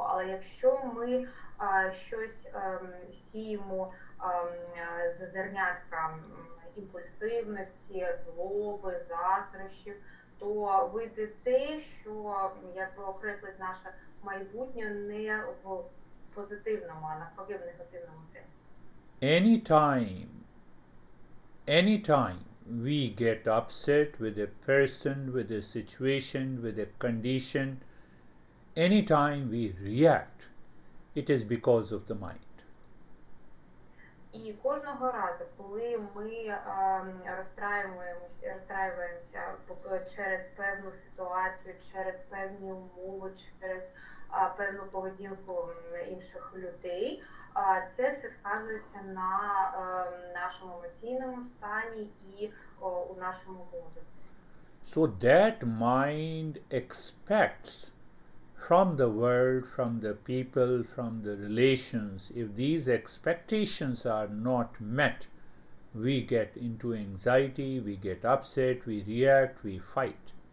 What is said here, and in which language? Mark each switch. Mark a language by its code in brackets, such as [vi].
[uk] Але якщо ми щось сіємо за зернятка імпульсивності, злоби, заздрощів, то вийде те, що, як би окреслить наше майбутнє, не в позитивному, а навпаки в негативному сенсі. [en] Anytime we get upset with a person, with a situation, with a condition, anytime we react, it is because of the mind. [uk] І кожного разу, коли ми розстраюємося через певну ситуацію, через певні умови, через певну поведінку інших людей, це все сказується на нашому емоційному стані і у нашому мозку. [en] So that mind expects from the world, from the people, from the relations, if these expectations are not met, we get into anxiety, we get upset, we react, we fight.